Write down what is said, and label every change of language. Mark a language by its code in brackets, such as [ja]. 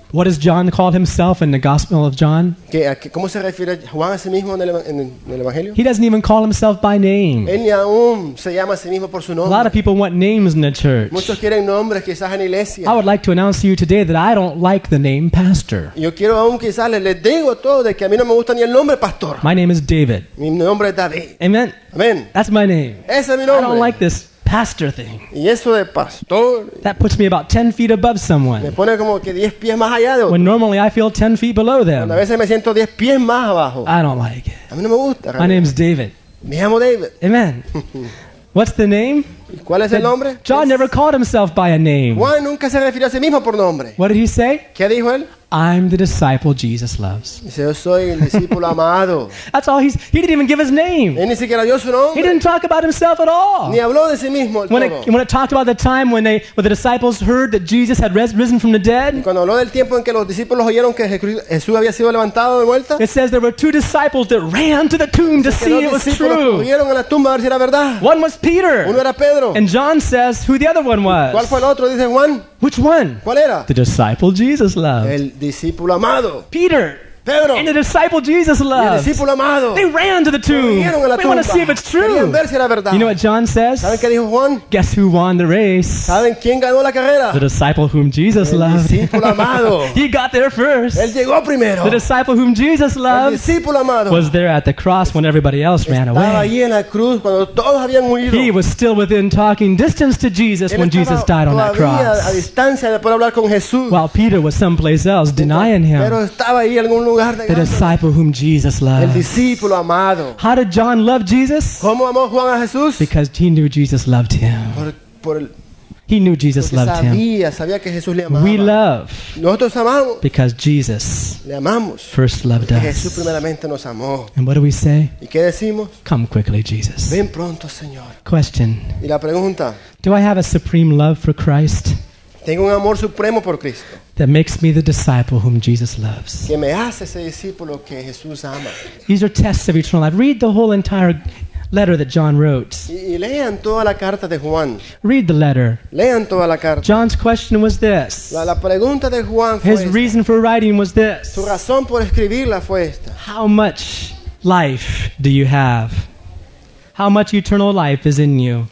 [en] What does John call himself in the Gospel of John? [es] ¿Cómo se refiere Juan a sí mismo en el Evangelio? [en] He doesn't even call himself by name. [es] Él ni aún se llama a sí mismo por su nombre. [en] A lot of people want names in the church. [es] Muchos quieren nombres quizás en la iglesia. [en] I would like to announce to you today that I don't like the name pastor. [es] Yo quiero aún quizás les digo todo de que a mí no me gusta ni el nombre pastor. [en] My name is David. [es] Mi nombre es David. [en] Amen. [es] Amen. [en] That's my name. [es] Ese es mi nombre. [en] I don't like this pastor thing. [es] Y eso de pastor, [en] that puts me about 10 feet above someone. [es] Me pone como que 10 pies más allá de otro. [en] When normally I feel 10 feet below them. [es] A veces me siento 10 pies más abajo. [en] I don't like it. [es] A mí no me gusta, realmente. [en] My name's David. [es] Me llamo David. [en] Amen. What's the name? [es] ¿Cuál es el nombre? [en] John never called himself by a name. [es] Juan nunca se refirió a sí mismo por nombre. [en] What did he say? [es] ¿Qué dijo él? [en] I'm the disciple Jesus loves. [es] Dice, yo soy el discípulo amado. [en] That's all he didn't even give his name. [es] Él ni siquiera dio su nombre. [en] He didn't talk about himself at all. [es] Ni habló de sí mismo. [en] When it talked about the time when the disciples heard that Jesus had risen from the dead. [es] Cuando habló del tiempo en que los discípulos oyeron que Jesús había sido levantado de vuelta. [en] It says there were two disciples that ran to the tomb to see it was true. [es] Corrieron a la tumba a ver si era verdad. [en] One was Peter. [es] Uno era Pedro. [en] And John says who the other one was. [es] ¿Cuál fue el otro? Dice Juan. [en] Which one? [es] ¿Cuál era? [en] The disciple Jesus loved. [es] El discípulo amado. [en] Peter. [es] Pedro. [en] And the disciple Jesus loved. [es] Y el discípulo amado. [en] They ran to the tomb. [es] Corrieron a la [en] They want to see if it's true. [es] Querían ver si era verdad. [en] You know what John says? [es] ¿Saben qué dijo Juan? [en] Guess who won the race? [es] ¿Saben quién ganó la carrera? [en] The disciple whom Jesus loved. [es] El discípulo amado. [en] He got there first. [es] Él llegó primero. [en] The disciple whom Jesus loved. [es] El discípulo amado. [en] Was there at the cross when everybody else ran away. [es] Estaba ahí en la cruz cuando todos habían huido. [en] He was still within talking distance to Jesus when Jesus died on that cross. [es] Él estaba a distancia de poder hablar con Jesús. [en] While Peter was someplace else denying him. [es] Pero estaba ahí en algún lugar. [en] The disciple whom Jesus loved. [es] El discípulo amado. [en] How did John love Jesus? [es] ¿Cómo amó Juan a Jesús? [en] Because he knew Jesus loved him. He knew Jesus loved him. [es] Sabía que Jesús le amaba. [en] We love. [es] Nosotros amamos. [en] Because Jesus. [es] Le amamos. [en] First loved us. [es] Jesús primeramente nos amó. [en] And what do we say? [es] ¿Y qué decimos? [en] Come quickly, Jesus. [es] Ven pronto, Señor. [en] Question. [es] Y la pregunta. [en] Do I have a supreme love for Christ? [es] Tengo un amor supremo por Cristo. [en] That makes me the disciple whom Jesus loves. [es] Que me hace ese discípulo que Jesús ama. [en] These are tests of eternal life. Read the whole entire letter that John wrote. [es] Y lean toda la carta de Juan. [en] Read the letter. [es] Lean toda la carta. [en] John's question was this. [es] La pregunta de Juan fue [en] his reason [es] esta. [en] For writing was this. [es] Su razón por escribirla fue esta. [en] How much life do you have? How much eternal life is in you?